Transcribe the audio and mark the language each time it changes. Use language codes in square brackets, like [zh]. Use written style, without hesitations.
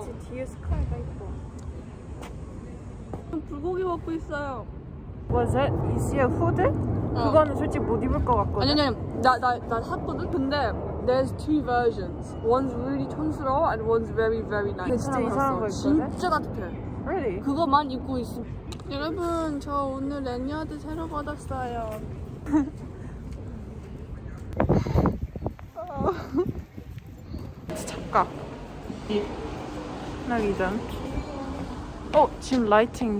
[ko] 그치, 뒤에 스카이가 예뻐. 지금 불고기 먹고 있어요. [en] Was it? You see a hoodie? [ko] 그거는 솔직히 못 입을 것 같거든. 아니, 나 샀거든? 근데 [en] there's two versions. One's really [ko] 촌스러워 [en] and one's very, very nice. [ko] 근데 진짜 이상한 거 있거든? 진짜 따뜻해. [en] Really? [ko] 그거만 입고 있어. 여러분, 저 오늘 랜야드 새로 받았어요. 착각. 나기 전. 어, 지금 라이팅.